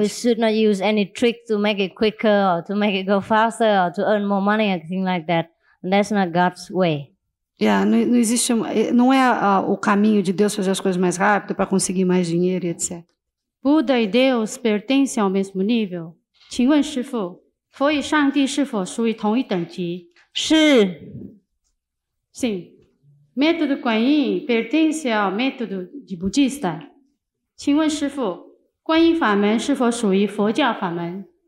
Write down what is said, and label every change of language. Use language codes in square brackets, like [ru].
[en] We should not use any trick to make it quicker or to make it go faster or to earn more money or anything like that. That's not God's way. [pt] Yeah, não existe, não é o caminho de Deus fazer as coisas mais rápido para conseguir mais dinheiro e etc. Buda e Deus pertencem ao mesmo nível. [zh] 请问师父, 所以上帝是否属于同一等级? 是. [pt] Sim. Método Kuan Yin pertence ao método de budista. [zh] 请问师父, 观音法门是否属于佛教法门?